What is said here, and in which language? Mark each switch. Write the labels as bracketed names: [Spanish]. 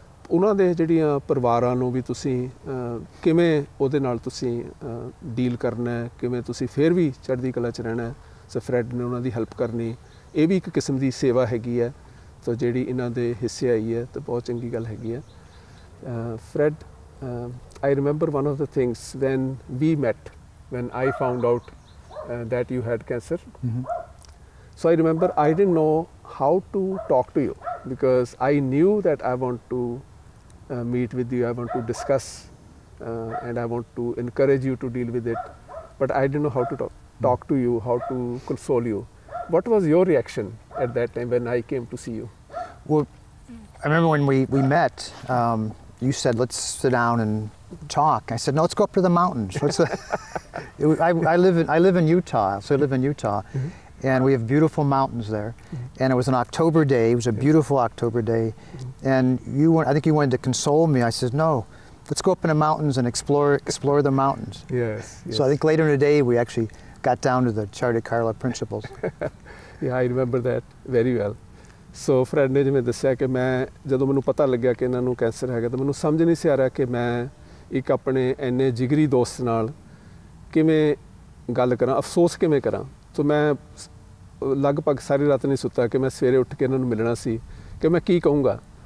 [Punjabi] ਉਹਨਾਂ ਦੇ ਜਿਹੜੀਆਂ ਪਰਿਵਾਰਾਂ ਨੂੰ ਵੀ ਤੁਸੀਂ ਕਿਵੇਂ ਉਹਦੇ ਨਾਲ ਤੁਸੀਂ ਡੀਲ ਕਰਨਾ, ਕਿਵੇਂ ਤੁਸੀਂ ਫਿਰ ਵੀ ਚੜ੍ਹਦੀ ਕਲਾ 'ਚ ਰਹਿਣਾ, ਸੋ ਫਰੈਡ ਨੇ ਉਹਨਾਂ ਦੀ ਹੈਲਪ ਕਰਨੀ, ਇਹ ਵੀ ਇੱਕ ਕਿਸਮ ਦੀ ਸੇਵਾ ਹੈਗੀ ਹੈ. ਸੋ ਜਿਹੜੀ ਇਹਨਾਂ ਦੇ ਹਿੱਸੇ ਆਈ ਹੈ ਤਾਂ ਬਹੁਤ ਚੰਗੀ ਗੱਲ ਹੈਗੀ ਹੈ. [English] Fred, I remember one of the things when we met, when I found out that you had cancer. So I remember I didn't know how to talk to you, because I knew that I want to meet with you, I want to discuss, and I want to encourage you to deal with it, but I didn't know how to talk to you, how to console you. What was your reaction at that time when I came to see you? Well, I remember when we met, you said, let's sit down and talk. I said, no, let's go up to the mountains. I live in Utah. And we have beautiful mountains there. And it was an October day. It was a beautiful October day. And I think you wanted to console me. I said, no, let's go up in the mountains and explore the mountains. Yes. So I think later in the day, we actually got down to the Charikarta principles. Yeah, I remember that very well. [Punjabi] So friend ਨੇ ਜਿਵੇਂ ਦੱਸਿਆ ਕਿ ਮੈਂ ਜਦੋਂ ਮੈਨੂੰ ਪਤਾ ਲੱਗਿਆ ਕਿ ਇਹਨਾਂ ਨੂੰ ਕੈਂਸਰ ਹੈਗਾ, ਤਾਂ ਮੈਨੂੰ ਸਮਝ ਨਹੀਂ ਸੀ ਆ ਰਿਹਾ ਕਿ ਮੈਂ ਇੱਕ ਆਪਣੇ ਇੰਨੇ ਜਿਗਰੀ ਦੋਸਤ ਨਾਲ ਕਿਵੇਂ ਗੱਲ ਕਰਾਂ, ਅਫਸੋਸ ਕਿਵੇਂ ਕਰਾਂ. ਸੋ ਮੈਂ ਲਗਭਗ ਸਾਰੀ ਰਾਤ ਨਹੀਂ ਸੁੱਤਾ ਕਿ ਮੈਂ ਸਵੇਰੇ ਉੱਠ ਕੇ ਇਹਨਾਂ ਨੂੰ ਮਿਲਣਾ ਸੀ ਕਿ ਮੈਂ ਕੀ ਕਹੂੰਗਾ।